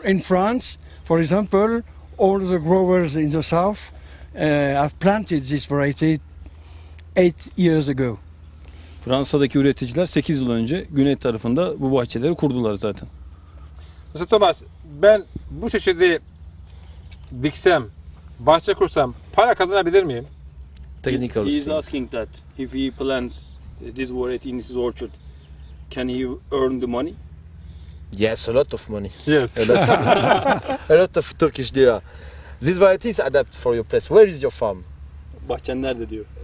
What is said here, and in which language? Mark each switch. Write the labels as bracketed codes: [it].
[en] In France, for example, all the growers in the south have planted this variety 8 years ago. [tr] Fransa'daki üreticiler 8 yıl önce güney tarafında bu bahçeleri kurdular zaten. Mesela Thomas, ben bu çeşidi diksem, bahçe kursam para kazanabilir miyim? Technical he is things. [en] Asking that if he plants this variety in his orchard, can he earn the money? Yes, a lot of money. Yes. A lot of Turkish lira. This variety is adapted for your place. Where is your farm? [tr] Bahçen nerede diyor?